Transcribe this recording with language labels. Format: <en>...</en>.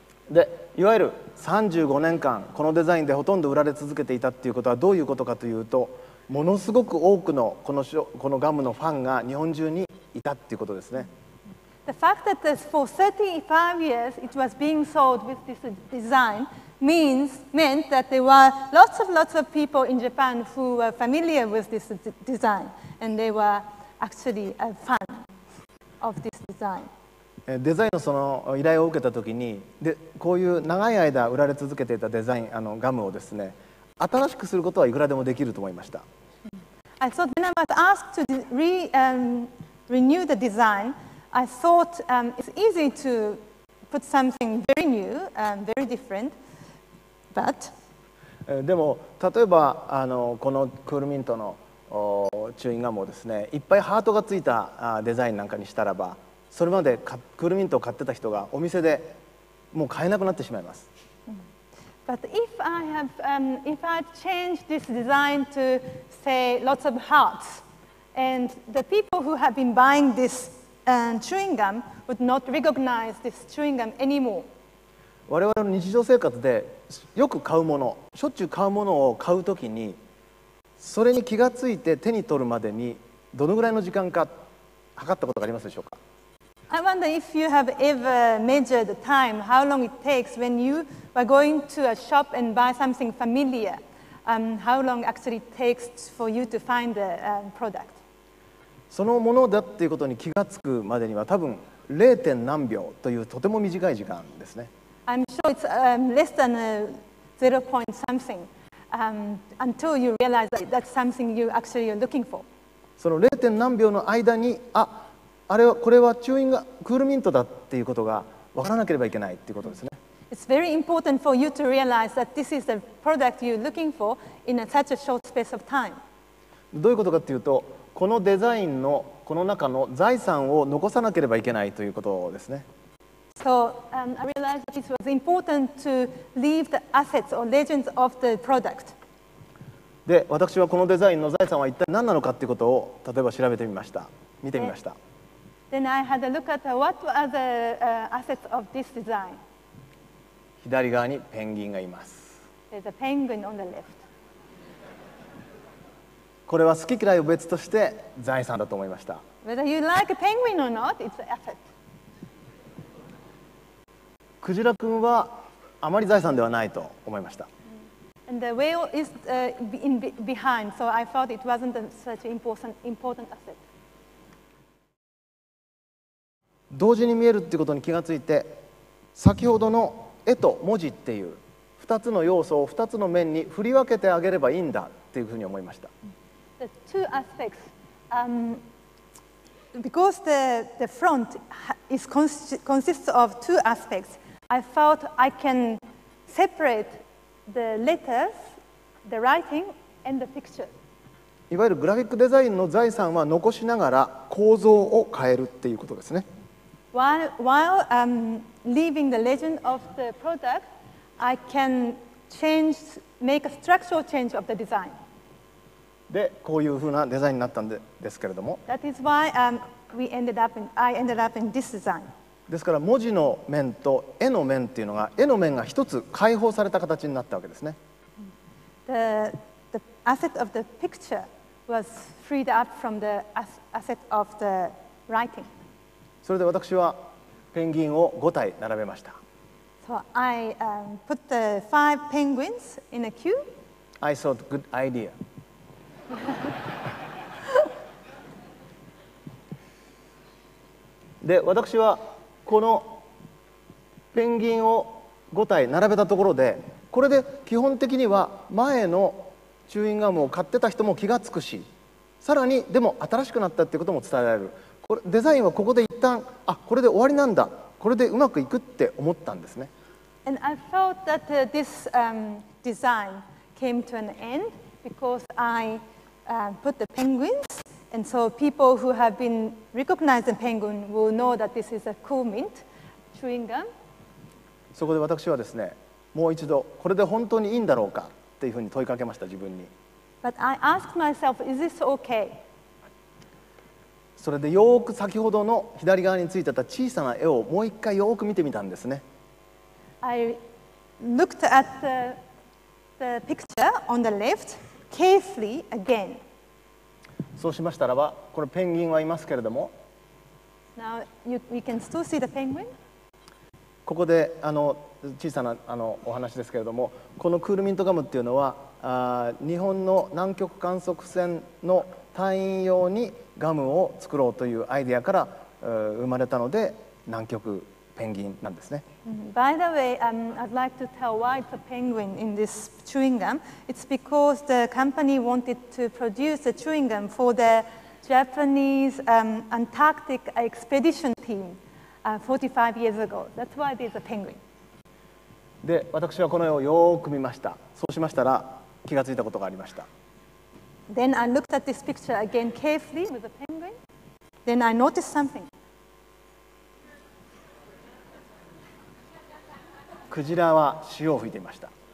<ja>でいわゆる35年間このデザインでほとんど売られ続けていたっていうことはどういうことかというと、ものすごく多くのこのガムのファンが日本中にいたっていうことですね。</ja> <en>The fact that this for 35 years it was being sold with this design meant that there were lots of people in Japan who were familiar with this design and they were actually a fan of this design</en> <ja>デザインのその依頼を受けたときに、でこういう長い間売られ続けていたデザインガムをですね、新しくすることはいくらでもできると思いました。</ja> <en>I thought when I was asked to renew the design, I thought it's easy to put something very new, very different, but</en> <ja>でも例えばこのクールミントのチューインガムをですね、いっぱいハートがついたデザインなんかにしたらば。それまでクールミントを買ってた人がお店でもう買えなくなってしまいます。</ja> <en>But if I have, if I change this design to say lots of hearts, and the people who have been buying this, chewing gum would not recognize this chewing gum anymore.</en> <ja>我々の日常生活でよく買うもの、しょっちゅう買うものを買うときに、それに気がついて手に取るまでにどのぐらいの時間か測ったことがありますでしょうか。</ja> <en>I wonder if you have ever measured the time, how long it takes when you were going to a shop and buy something familiar, how long actually it takes for you to find the product.</en> <ja>そのものだっていうことに気がつくまでには多分 0. 何秒というとても短い時間ですね。</ja> <en>I'm sure it's less than a 0. something until you realize that that's something you actually are looking for.</en> <ja>その 0. 何秒の間に、あれはこれはチューインがクールミントだっていうことが分からなければいけないっていうことですね。</ja> <en>It's very important for you to realize that this is the product you're looking for in such a short space of time.</en> <ja>どういうことかというと、このデザインのこの中の財産を残さなければいけないということですね。</ja> <en>So, I realized that it was important to leave the assets or legends of the product.</en> <ja>で、私はこのデザインの財産は一体何なのかということを例えば調べてみました。見てみました。</ja> <en>Then I had a look at what are the assets of this design.</en> <ja>左側にペンギンがいます。</ja> <en>There's a penguin on the left.</en> <ja>これは好き嫌いを別として財産だと思いました。</ja> <en>Whether you like a penguin or not, it's an asset.</en> <ja>クジラ君はあまり財産ではないと思いました。</ja> <en>And the whale is in behind, so I thought it wasn't such an important asset.</en> <ja>同時に見えるってことに気がついて、先ほどの絵と文字っていう二つの要素を二つの面に振り分けてあげればいいんだっていうふうに思いました。</ja> <en>The two aspects, because the front is consists of two aspects. I felt I can separate the letters, the writing, and the picture.</en> <ja>いわゆるグラフィックデザインの財産は残しながら構造を変えるっていうことですね。</ja> <en>While leaving the legend of the product, I can change, make a structural change of the design.</en> <ja>で、こういうふうなデザインになったんですけれども。</ja> <en>That is why I ended up in this design.</en> <ja>ですから文字の面と絵の面っていうのが絵の面が一つ解放された形になったわけですね。</ja> <en>The asset of the picture was freed up from the asset of the writing.</en> <ja>それで私はペンギンを5体並べました。</ja> <en>So I put the five penguins in a queue. I thought good idea.</en> <ja>で私はこのペンギンを5体並べたところで、これで基本的には前のチューインガムを買ってた人も気がつくし、さらにでも新しくなったってことも伝えられる。これデザインはここで一旦、あ、これで終わりなんだ、これでうまくいくって思ったんですね。</ja> <en>And I felt that this design came to an end because I put the penguins. And so people who have been recognizing penguin will know that this is a cool mint chewing gum.</en> <ja>そこで私はですね、もう一度これで本当にいいんだろうかっていうふうに問いかけました自分に。</ja> <en>But I asked myself, is this okay?</en> <ja>それでよく先ほどの左側についてた小さな絵をもう一回よく見てみたんですね。</ja> <en>I looked at the picture on the left carefully again.</en> <ja>そうしましたらば、これペンギンはいますけれども、</ja> <en>Now we can still see the penguin.</en> <ja>ここで小さなお話ですけれども、このクールミントガムっていうのは、日本の南極観測船の隊員用にガムを作ろうというアイデアから生まれたので、南極ペンギンなんですね。</ja> <en>By the way, I'd like to tell why it's a penguin in this chewing gum. It's because the company wanted to produce a chewing gum for the Japanese Antarctic expedition team 45 years ago. That's why there's a penguin.</en> <ja>で、私はこの絵をよく見ました。そうしましたら気がついたことがありました。</ja> <en>Then I looked at this picture again carefully with the penguin. Then I noticed something.</en> <ja>クジラは潮を吹いていました。</ja>